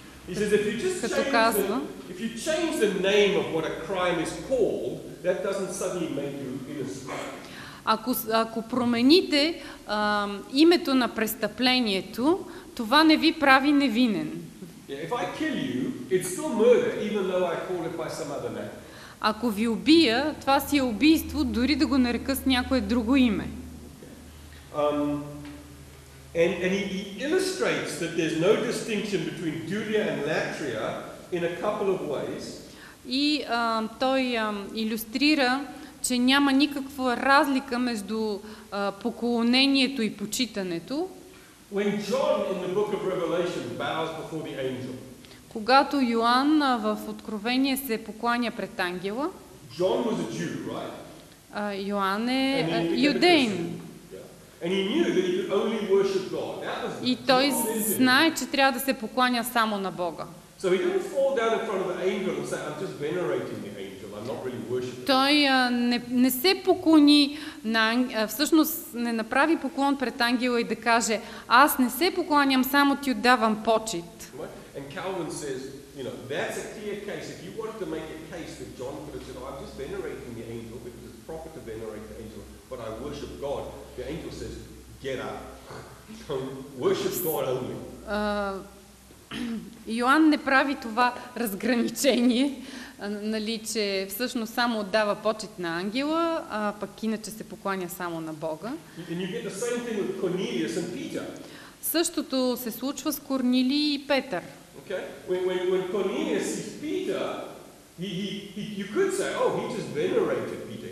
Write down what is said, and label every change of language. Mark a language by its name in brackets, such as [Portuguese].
[English] He says if you just change the name of what a crime is called, that doesn't suddenly make you innocent. [Bulgarian] Ако промените името на престъплението, това не ви прави невинен. [English] Yeah, if I kill you, it's still murder, even though I call it by some other name. [Bulgarian] Ако ви убия, това си е убийство, дори да го нарека с някое друго име. [English] And he illustrates that there's no distinction between dulia and latria in a couple of ways. [Bulgarian] И той илюстрира, че няма никаква разлика между поклонението и почитането. [English] When John in the book of Revelation bows before the angel. [Bulgarian] Когато Йоан в Откровение се покланя пред ангела, [English] John was a Jew, right? [Bulgarian] Йоан е юдейн. [English] And he knew that he could only worship God. That was [Bulgarian] и той знае, че трябва да се покланя само на Бога. [English] So he didn't fall down in front of an angel and say, I'm just venerating the angel. I'm not really worshiping. [Bulgarian] Той не се поклони на ангела, всъщност не направи поклон пред ангела и да каже, аз не се покланям, само ти отдавам почет. [English] And Calvin says, you know, that's a clear case. If you wanted to make a case that John could have said, I'm just venerating the angel because it's proper to venerate the angel, but I worship God. The angel says, get up. Worship God only. [Bulgarian] Йоан не прави това разграничение, нали, че всъщност само отдава почет на ангела, а пък иначе се покланя само на Бога. [English] And you get the same thing with Cornelius and Peter. [Bulgarian] Същото се случва с Корнили и Петър. [English] When Cornelius sees Peter, he you could say, oh, he just venerated Peter.